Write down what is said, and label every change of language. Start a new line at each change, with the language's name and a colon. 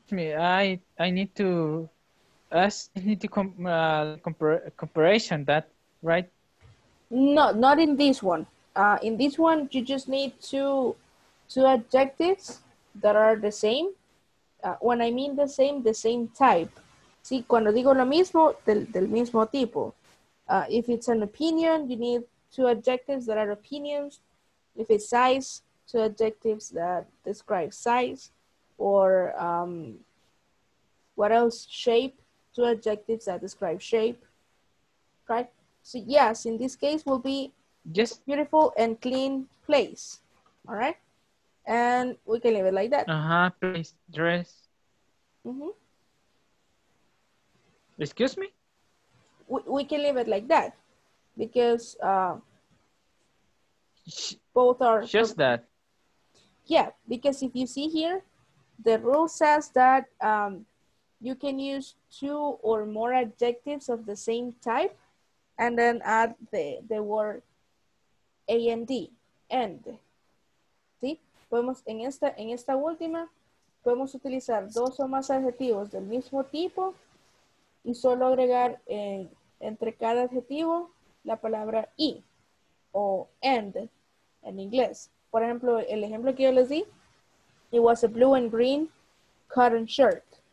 English: Ask me. I need to ask. Need to comparison that, right? No, not in this one. In this one, you just need two adjectives that are the same. When I mean the same type.
Spanish: Sí, cuando digo lo mismo, del mismo tipo.
English: If it's an opinion, you need two adjectives that are opinions. If it's size, two adjectives that describe size. Or what else? Shape, two adjectives that describe shape. Right? So yes, in this case will be just beautiful and clean place. All right? And we can leave it like that. Uh-huh, please, dress. Mm-hmm. Excuse me? We can leave it like that because both are... Just that. Yeah, because if you see here, the rule says that you can use two or more adjectives of the same type and then add the word and, end.
Spanish: Podemos, en esta última, podemos utilizar dos o más adjetivos del mismo tipo y solo agregar entre cada adjetivo la palabra I o end en inglés. Por ejemplo, el ejemplo que yo les di,
English: it was a blue and green cotton shirt.